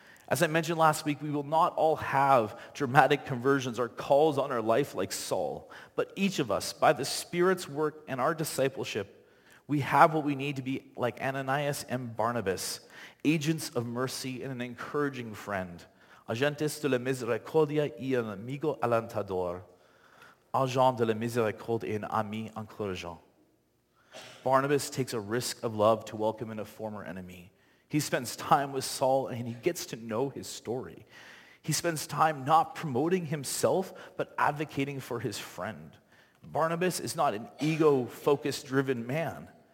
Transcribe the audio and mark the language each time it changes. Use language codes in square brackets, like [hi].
[en] As I mentioned last week, we will not all have dramatic conversions or calls on our life like Saul, but each of us, by the Spirit's work and our discipleship, we have what we need to be like Ananias and Barnabas, agents of mercy and an encouraging friend. [es] Agentes de la misericordia y un amigo alentador. [fr] Agent de la miséricorde et un ami encourageant. [en] Barnabas takes a risk of love to welcome in a former enemy. He spends time with Saul and he gets to know his story. He spends time not promoting himself, but advocating for his friend. Barnabas is not an ego-focused driven man.